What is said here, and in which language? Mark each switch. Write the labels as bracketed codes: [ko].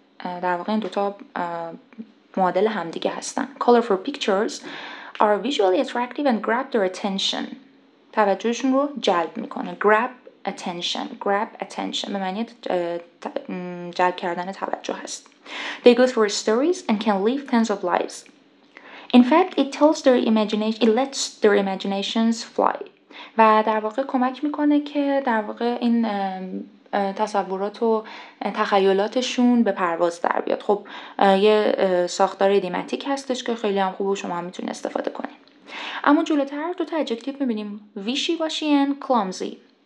[fa] در واقع این دوتا معادل همدیگه هستن. [en] Colorful pictures are visually attractive and grab their attention. [fa] توجهشون رو جلب میکنه. Grab attention به معنی جلب کردن توجه هست. [en] They go through stories and can live tons of lives. In fact, it tells their imagination. It lets their imaginations fly. [fa] و در واقع کمک میکنه که در واقع این تصورات و تخیلاتشون به پرواز در بیاد. خب یه ساختار دیماتیک هستش که خیلی هم خوب و شما هم میتونید استفاده کنید. اما جلوتر دو تا ادجکتیو میبینیم. Wishy-washy and clumsy.